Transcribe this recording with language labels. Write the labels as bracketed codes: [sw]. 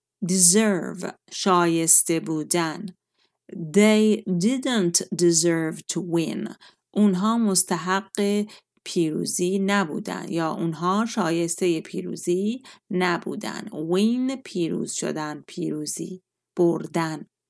[fa] Deserve، شایسته بودن. [en] They didn't deserve to win. [fa] اونها مستحق پیروزی نبودن، یا اونها شایسته پیروزی نبودن. Win، پیروز شدن، پیروزی بردن.